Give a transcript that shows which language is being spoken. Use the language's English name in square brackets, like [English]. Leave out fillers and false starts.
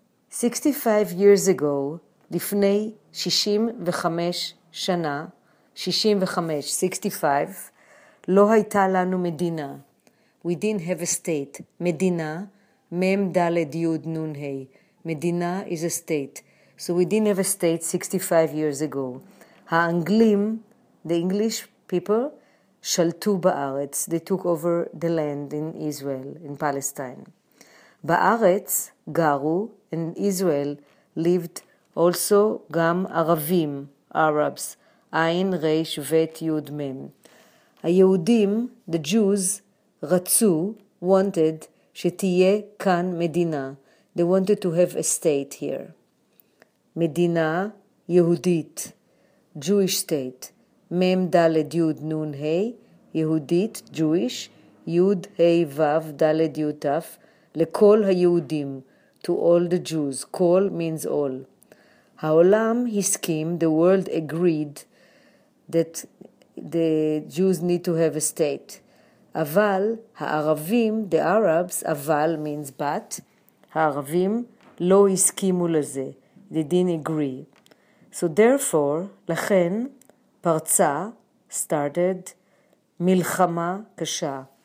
[English] 65 years ago, [Hebrew] לפני 65 שנה, 65, לא הייתה לנו מדינה. [English] We didn't have a state. [Hebrew] מדינה, מם דלת יוד נון היי. [English] מדינה is a state. So we didn't have a state 65 years ago. [Hebrew] האנגלים, [English] the English people, [Hebrew] שלטו בארץ. [English] They took over the land in Israel, in Palestine. [Hebrew] בארץ גרו, [English] and Israel lived also [Hebrew] גם ערבים, [English] Arabs. [Hebrew] עין, ריש, וית, יוד, מם. היהודים, [English] the Jews, [Hebrew] רצו, [English] wanted, [Hebrew] שתהיה כאן מדינה. [English] They wanted to have a state here. [Hebrew] מדינה יהודית, [English] Jewish state. [Hebrew] מם, דלת, יוד, נון, היי, יהודית, Jewish. יוד, היי, וו, דלת, יוד, תף. לכל היהודים, [English] to all the Jews. כל means all. [Hebrew] העולם הסכים, [English] the world agreed, that the Jews need to have a state. [Hebrew] אבל הערבים, the Arabs, אבל means but, הערבים לא הסכימו לזה. [English] They didn't agree. So therefore, [Hebrew] לכן פרצה, started, מלחמה קשה.